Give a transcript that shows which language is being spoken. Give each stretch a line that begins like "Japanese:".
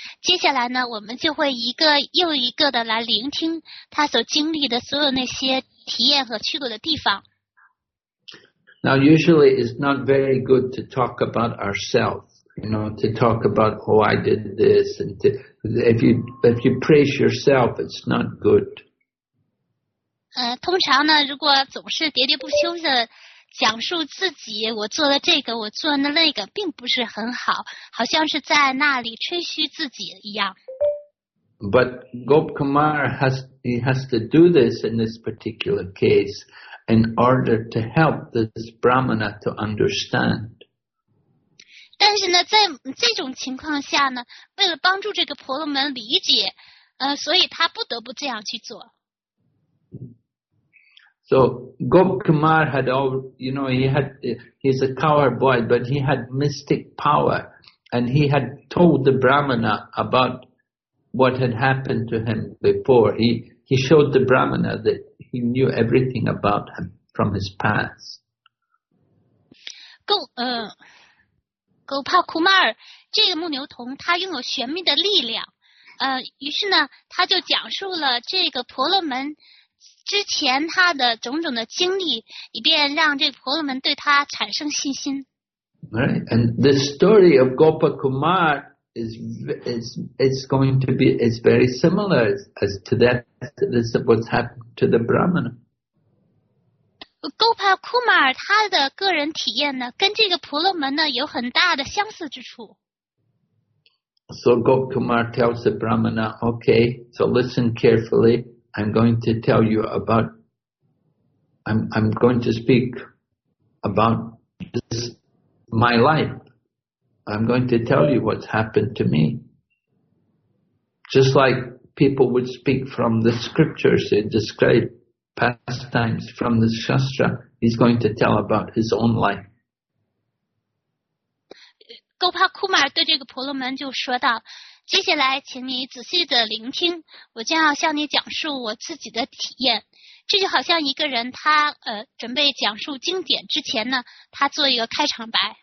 Chinese: 接下来呢，我们就会一个又一个的来聆听他所经历的所有那些体验和去过的地方。
English: Now, usually it's not very good to talk about ourselves, you know, to talk about, oh, I did this, and to, if you praise yourself, it's not good.
Chinese: 通常呢，如果总是喋喋不休的讲述自己，我做了这个，我做了那个，并不是很好，好像是在那里吹嘘自己一样。
English: But Gop Kumar has to do this in this particular case in order to help this Brahmana to understand.
Chinese: 但是呢，在这种情况下呢，为了帮助这个婆罗门理解，所以他不得不这样去做。
English: So, Gop Kumar had all, you know, he's a coward boy, but he had mystic power, and he had told the Brahmana about what had happened to him before. He showed the Brahmana that he knew everything about him from his past.
Chinese: Gop Kumar, 这个牧牛童他拥有玄秘的力量，于是呢，他就讲述了这个婆罗门之前他的种种的经历，以便让这个婆罗门对他产生信心。
English: Right, and the story of Gopa Kumar is going to be is very similar as to that this what's happened to the Brahmana.
Chinese: Gopa Kumar 他的个人体验呢，跟这个婆罗门呢有很大的相似之处。
English: So Gopa Kumar tells the Brahmana, "Okay, so listen carefully." I'm going to tell you about, I'm going to speak about this, my life. I'm going to tell you what's happened to me. Just like people would speak from the scriptures, they describe pastimes from the Shastra, he's going to tell about his own life.
Chinese: Gopa 库玛对这个婆罗门就说道，接下来请你仔细的聆听，我将要向你讲述我自己的体验。这就好像一个人他准备讲述经典之前呢，他做一个开场白。